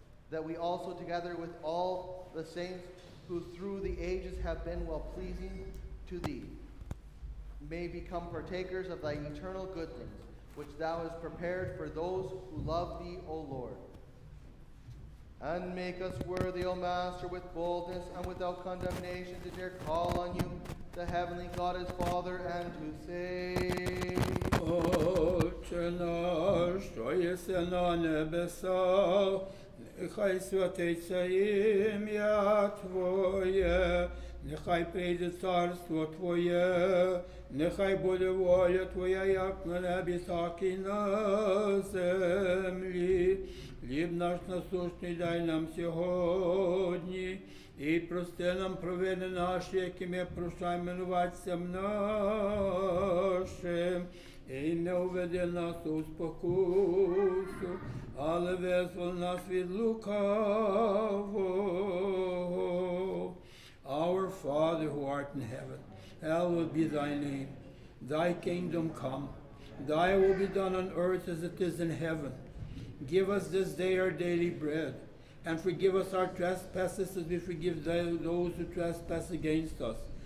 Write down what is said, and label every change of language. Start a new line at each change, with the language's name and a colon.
English: That we also, together with all the saints who through the ages have been well pleasing to thee, may become partakers of thy eternal good things, which thou hast prepared for those who love thee, O Lord. And make us worthy, O Master, with boldness and without condemnation, to dare call on you, the heavenly God, as Father, and to say,
Ukrainian: Отче наш, що єси на небесах, нехай святиться ім'я Твоє, нехай прийде царство Твоє, нехай буде воля Твоя, як на небі, так і на землі. Хліб наш насущний дай нам сьогодні, і прости нам провини наші, які ми прощаємо винуватцям нашим. І не уведи нас у спокусу, але визволь нас від лукавого.
English: Our Father who art in heaven, hallowed be thy name. Thy kingdom come. Thy will be done on earth as it is in heaven. Give us this day our daily bread, and forgive us our trespasses as we forgive those who trespass against us.